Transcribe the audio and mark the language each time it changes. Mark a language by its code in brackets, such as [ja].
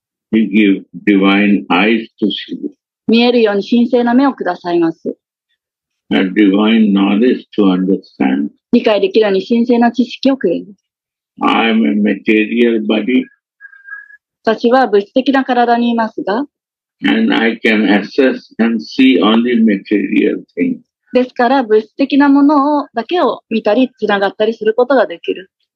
[en] He gave divine eyes to see. [ja] 見えるように神聖な目をくださいます。 [en] A divine knowledge to understand. [ja] 理解できるように神聖な知識をくれます。 [en] I am a material body. [ja] 私は物質的な体にいますが、 [en] And I can assess and see only material things. [ja] ですから物質的なものをだけを見たりつながったりすることができる。